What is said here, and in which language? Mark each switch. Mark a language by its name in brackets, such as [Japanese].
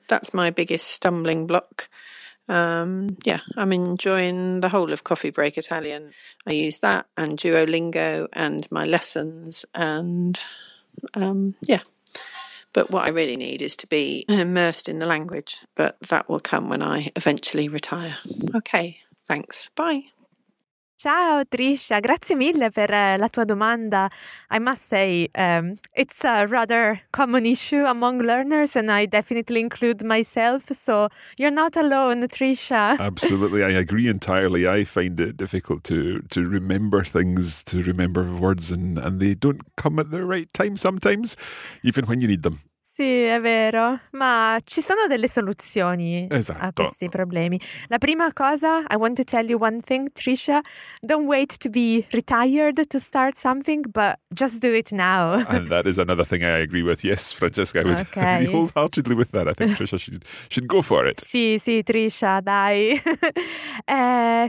[English] That's my biggest stumbling block. I'm enjoying the whole of Coffee Break Italian. I use that and Duolingo and my lessons and, But what I really need is to be immersed in the language. But that will come when I eventually retire. Okay, thanks. Bye. [Italian] Ciao Trisha, grazie mille per la tua domanda. [English] I must say, it's a rather common issue among learners, and I definitely include myself, so you're not alone, Trisha. Absolutely, I agree entirely. I find it difficult to remember things, to remember words, and they don't come at the right time sometimes, even when you need them. [Italian] Sì, è vero, ma ci sono delle soluzioni a questi problemi. La prima cosa, [English] I want to tell you one thing, Trisha, don't wait to be retired to start something, but just do it now. And that is another thing I agree with. Yes, Francesca, I would agree wholeheartedly with that. I think Trisha should go for it. [Italian] Sì, sì, Trisha, dai.